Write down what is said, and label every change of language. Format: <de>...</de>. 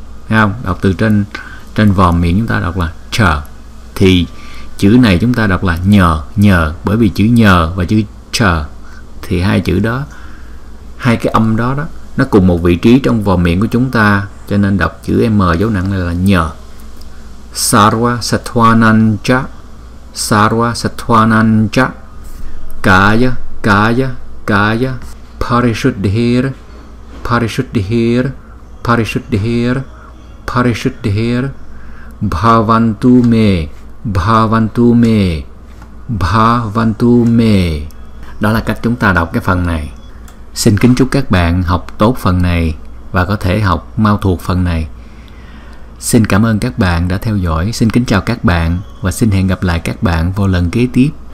<vi>Thấy không? Đọc từ trên trên vòm miệng chúng ta đọc là cha. Thì chữ này chúng ta đọc là nhờ, nhờ, bởi vì chữ nhờ và chữ chờ thì hai chữ đó, hai cái âm đó đó, nó cùng một vị trí trong vòm miệng của chúng ta, cho nên đọc chữ M dấu nặng này là nhờ.</vi> <sa>Sarva satvananja, sarva satvananja, kaya, kaya, kaya, parishuddhir, parishuddhir, parishuddhir, parishuddhir, bhavantu me, bhavantu me, bhavantu me.</sa> <vi>Đó là cách chúng ta đọc cái phần này. Xin kính chúc các bạn học tốt phần này và có thể học mau thuộc phần này. Xin cảm ơn các bạn đã theo dõi. Xin kính chào các bạn và xin hẹn gặp lại các bạn vào lần kế tiếp.</vi>